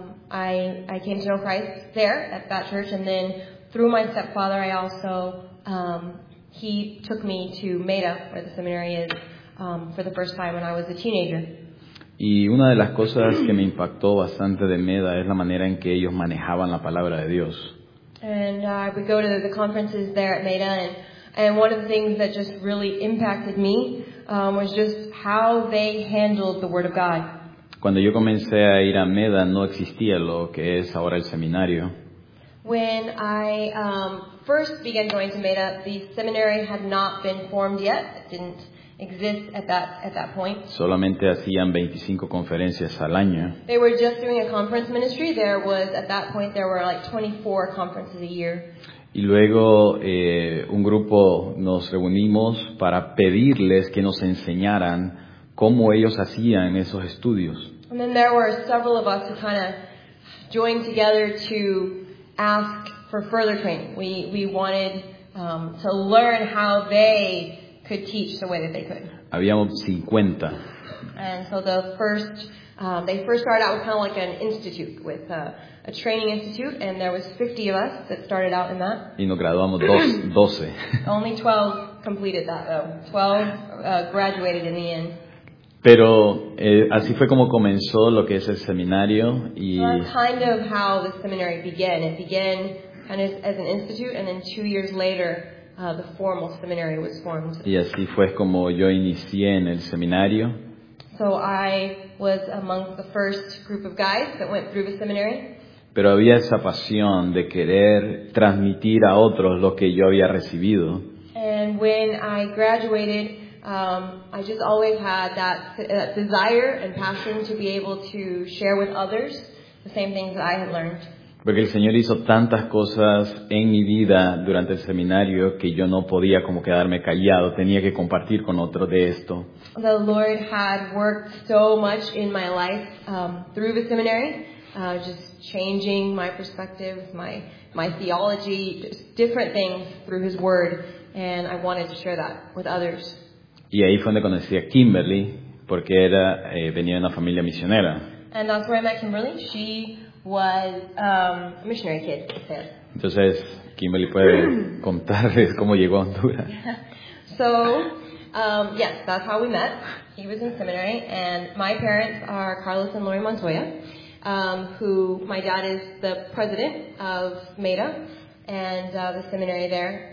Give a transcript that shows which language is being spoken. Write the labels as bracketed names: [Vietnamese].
[English] I came to know Christ there at that church, and then through my stepfather I also he took me to MEDA, where the seminary is, for the first time when I was a teenager. [Spanish] Y una de las cosas que me impactó bastante de MEDA es la manera en que ellos manejaban la palabra de Dios. [English] And we go to the conferences there at MEDA, and one of the things that just really impacted me was just how they handled the Word of God. [Spanish] Cuando yo comencé a ir a MEDA, no existía lo que es ahora el seminario. [English] When I first began going to MEDA, the seminary had not been formed yet. It didn't exist at that point. [Spanish] Solamente hacían 25 conferencias al año. [English] They were just doing a conference ministry. There was, at that point, there were like 24 conferences a year. [Spanish] Y luego un grupo nos reunimos para pedirles que nos enseñaran cómo ellos hacían esos estudios. [English] And then there were several of us who kind of joined together to ask for further training. We wanted to learn how they could teach the way that they could. [Spanish] Habíamos 50. [English] And so the first, they first started out with kind of like an institute, with a training institute, and there was 50 of us that started out in that. [Spanish] Y nos graduamos 12. [English] Only 12 completed that though. 12 graduated in the end. [Spanish] Pero así fue como comenzó lo que es el seminario. Y [English] so kind of how the seminary began. It began kind of as an institute, and then 2 years later, the formal seminary was formed. [Spanish] Y así fue como yo inicié en el seminario. [English] So I was among the first group of guys that went through the seminary. [Spanish] Pero había esa pasión de querer transmitir a otros lo que yo había recibido. [English] And when I graduated, I just always had that desire and passion to be able to share with others the same things that I had learned. [Spanish] Porque el Señor hizo tantas cosas en mi vida durante el seminario que yo no podía como quedarme callado, tenía que compartir con otros de esto. [English] The Lord had worked so much in my life through the seminary, just changing my perspective, my theology, just different things through His Word, and I wanted to share that with others. [Spanish] Y ahí fue donde conocí a Kimberly, porque era venía de una familia misionera. [English] And that's where I met Kimberly. She was a missionary kid there. [Spanish] Entonces, Kimberly puede contarles cómo llegó a Honduras. [English] Yeah. So, yes, that's how we met. He was in seminary, and my parents are Carlos and Lori Montoya, who my dad is the president of MEDA and the seminary there.